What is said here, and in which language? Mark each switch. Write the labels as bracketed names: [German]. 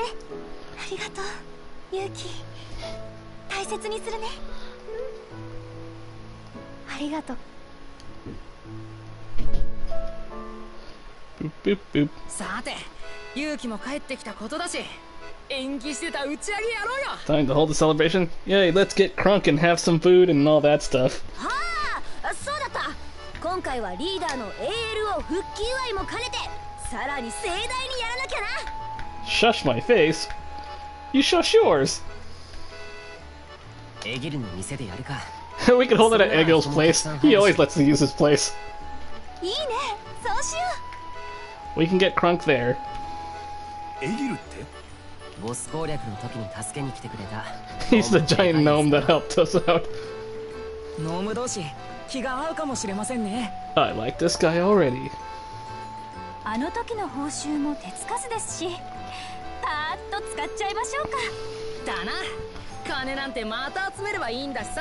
[Japanese] ありがとう、勇気。大切にするね。ありがとう。ブッブッブッ。さて、勇気も帰ってきたことだし、延期してた打ち上げやろうよ。 [English] Time to hold the celebration? Yay, let's get crunk and have some food and all that stuff. [Japanese] はあ、そうだった。今回はリーダーの ALO 復帰祝いも兼ねて、さらに盛大にやらなきゃな。 [English] Shush my face. You shush yours. [Japanese] エギルの店でやるか。 [English] We can hold it at Egil's place. He always lets me use his place. [Japanese] いいね、そうしよう。 [English] We can get crunk there. [Japanese] エギルって？ボス攻略の時に助けに来てくれた。 [English] He's the giant gnome that helped us out. [Japanese] ノーム同士、気が合うかもしれませんね。 [English] I like this guy already. [Japanese] あの時の報酬も手つかずですし、パーッと使っちゃいましょうか。だな。金なんてまた集めればいいんだしさ。